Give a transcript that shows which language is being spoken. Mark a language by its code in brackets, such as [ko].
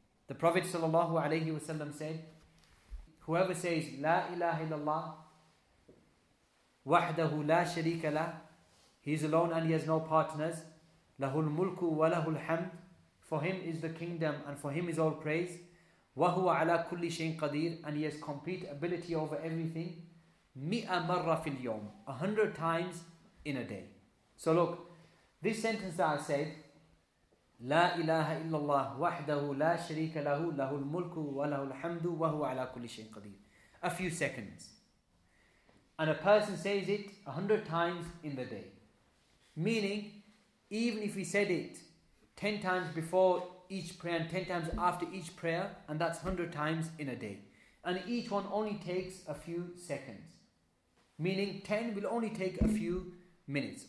[en] The Prophet sallallahu alayhi wa sallam said, whoever says [ar] La ilaha illallah wahdahu la sharika la, [en] he is alone and he has no partners, [ar] lahul mulku wa lahul hamd, [en] for him is the kingdom and for him is all praise, [ar] وهو على كل شيء قدير, [en] and he has complete ability over everything. 100 times in a day. So look, this sentence that I said, [ar] لا إله إلا الله وحده لا شريك له له الملك وله الحمد وهو على كل شيء قدير. [en] A few seconds. And a person says it 100 times in the day. Meaning, even if he said it 10 times before each prayer and 10 times after each prayer, and that's 100 times in a day. And each one only takes a few seconds. Meaning 10 will only take a few minutes.